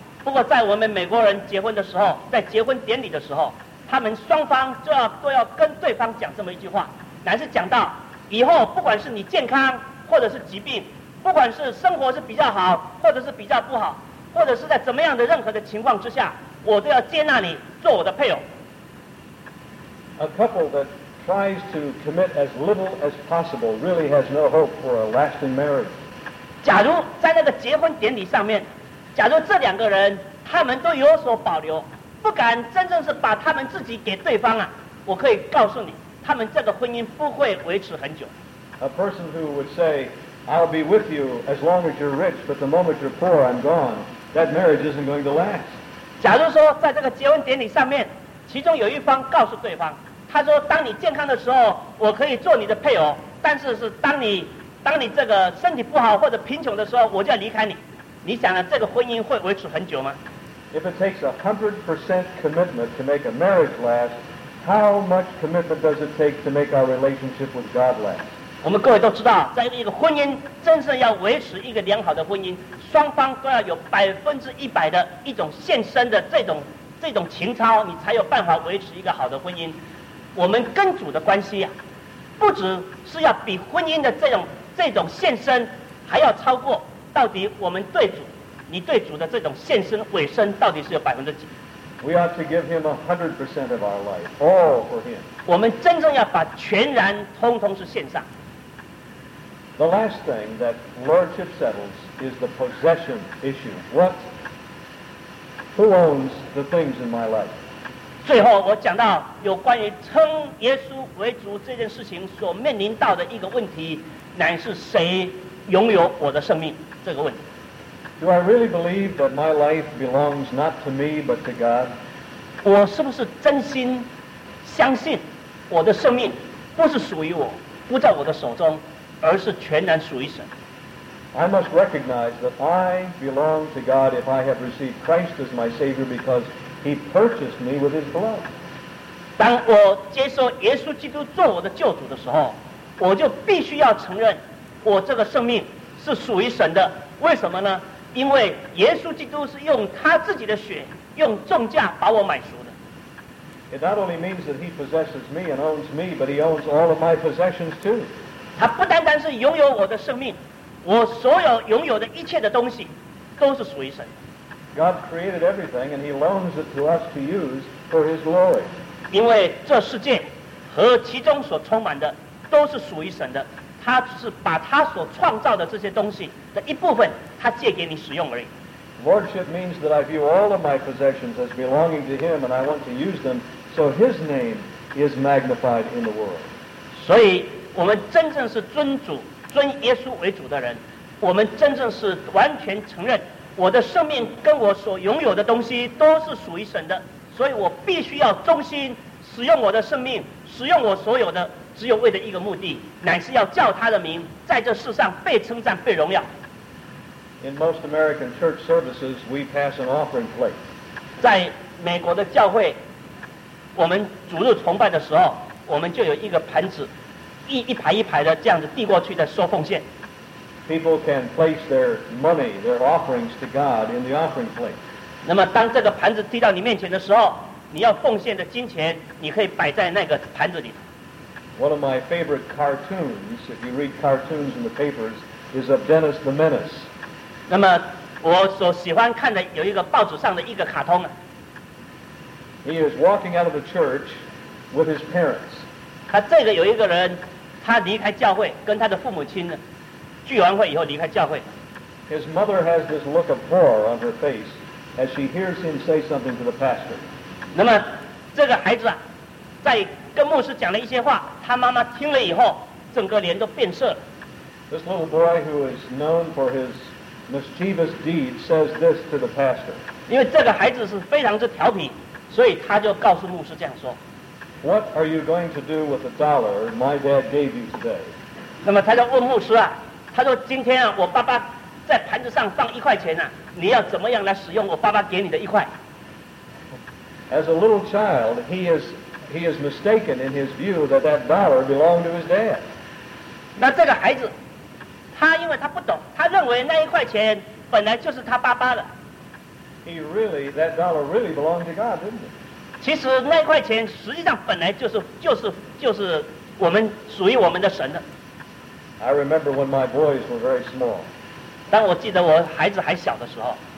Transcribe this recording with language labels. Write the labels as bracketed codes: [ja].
[zh] 不过在我们美国人结婚的时候，在结婚典礼的时候，他们双方都要跟对方讲这么一句话，乃是讲到以后不管是你健康或者是疾病，不管是生活是比较好或者是比较不好，或者是在怎么样的任何的情况之下，我都要接纳你做我的配偶。 [en] A couple that tries to commit as little as possible really has no hope for a lasting marriage. [zh] 假如在那个结婚典礼上面假如这两个人他们都有所保留，不敢真正是把他们自己给对方啊，我可以告诉你，他们这个婚姻不会维持很久。 [en] A person who would say, I'll be with you as long as you're rich, but the moment you're poor, I'm gone. That marriage isn't going to last. [zh] 假如说在这个结婚典礼上面，其中有一方告诉对方，他说，当你健康的时候，我可以做你的配偶，但是是当你这个身体不好或者贫穷的时候，我就要离开你。你想呢？这个婚姻会维持很久吗 [en] ？If it takes 100% commitment to make a marriage last, how much commitment does it take to make our relationship with God last? [zh] 我们各位都知道，在一个婚姻真正要维持一个良好的婚姻，双方都要有100%的一种献身的这种情操，你才有办法维持一个好的婚姻。我们跟主的关系呀、啊，不只是要比婚姻的这种献身，还要超过。到底我们对主，你对主的这种献身委身，到底是有100%？ [en] We ought to give him 100% of our life, all for him. [zh] 我们真正要把全然通通是献上。 [en] The last thing that lordship settles is the possession issue. What? Who owns the things in my life? [zh] 最后我讲到有关于称耶稣为主这件事情所面临到的一个问题，乃是谁拥有我的生命。这个问题 [en] Do I really believe that my life belongs not to me but to God? [zh] 我是不是真心相信我的生命不是属于我，不在我的手中，而是全然属于神？ [en] I must recognize that I belong to God if I have received Christ as my Savior because He purchased me with His blood. [zh] 当我接受耶稣基督做我的救主的时候，我就必须要承认我这个生命是属于神的。为什么呢？因为耶稣基督是用他自己的血，用重价把我买赎的。 [en] It not only means that he possesses me and owns me, but he owns all of my possessions too. [zh] 他不单单是拥有我的生命，我所有拥有的一切的东西都是属于神。 [en] God created everything and he loans it to us to use for his glory. [zh] 因为这世界和其中所充满的都是属于神的。他是把他所创造的这些东西的一部分，他借给你使用而已。 [en] Lordship means that I view all of my possessions as belonging to Him, and I want to use them so His name is magnified in the world. [zh] 所以，我们真正是尊主、尊耶稣为主的人，我们真正是完全承认我的生命跟我所拥有的东西都是属于神的，所以我必须要忠心使用我的生命，使用我所有的。只有为了一个目的，乃是要叫他的名在这世上被称赞、被荣耀。 [en] In most American church services, we pass an offering plate. [zh] 在美国的教会，我们主日崇拜的时候，我们就有一个盘子，一排一排的这样子递过去的收奉献。 [en] People can place their money, their offerings to God in the offering plate. [zh] 那么，当这个盘子递到你面前的时候，你要奉献的金钱，你可以摆在那个盘子里。 [en] One of my favorite cartoons, if you read cartoons in the papers, is of Dennis the Menace. [zh] 那么我所喜欢看的有一个报纸上的一个卡通。 [en] He is walking out of the church with his parents. [zh] 他这个有一个人，他离开教会，跟他的父母亲聚完会以后离开教会。 [en] His mother has this look of horror on her face as she hears him say something to the pastor. [zh] 那么这个孩子啊，在跟牧师讲了一些话，他妈妈听了以后，整个脸都变色了。 [en] This little boy who is known for his mischievous deed says this to the pastor. [zh] 因为这个孩子是非常之调皮，所以他就告诉牧师这样说。 [en] What are you going to do with the dollar my dad gave you today? [zh] 那么他就问牧师啊，他说今天啊，我爸爸在盘子上放一块钱啊，你要怎么样来使用我爸爸给你的一块 [en] ？As a little child, he is mistaken in his view that that dollar belonged to his dad. [zh] 那这个孩子，他因为他不懂，他认为那一块钱本来就是他爸爸的。 [en] That dollar really belonged to God, didn't it? [zh] 其实那一块钱实际上本来就是我们属于我们的神的。 [en] I remember when my boys were very small. [zh] 当我记得我孩子还小的时候。